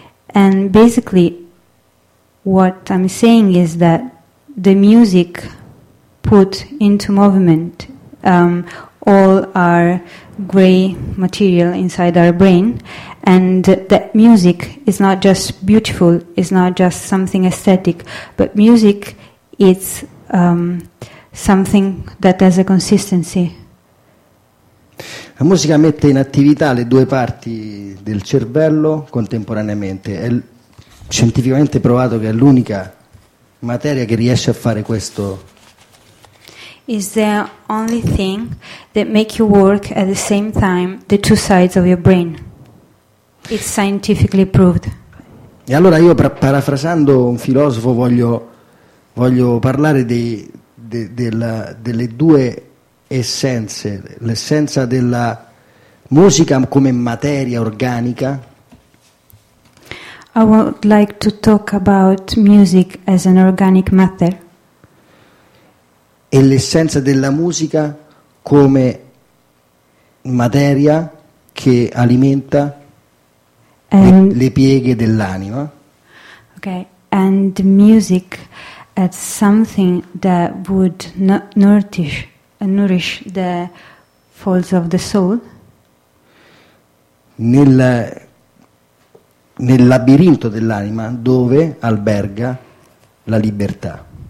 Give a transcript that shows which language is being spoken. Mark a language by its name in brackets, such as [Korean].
[English] And basically, what I'm saying is that the music put into movement all our gray material inside our brain, and that music is not just beautiful, it's not just something aesthetic, but music is something that has a consistency. [Italian] La musica mette in attività le due parti del cervello contemporaneamente. È scientificamente provato che è l'unica materia che riesce a fare questo. [English] Is the only thing that make you work at the same time the two sides of your brain. It's scientifically proved. [Italian] E allora io, parafrasando un filosofo, voglio parlare delle due essenze, l'essenza della musica come materia organica. [English] I would like to talk about music as an organic matter. [Italian] E l'essenza della musica come materia che alimenta le pieghe dell'anima. [English] Okay, and music as something that would nourish the folds of the soul. [Italian] Nel labirinto dell'anima dove alberga la libertà.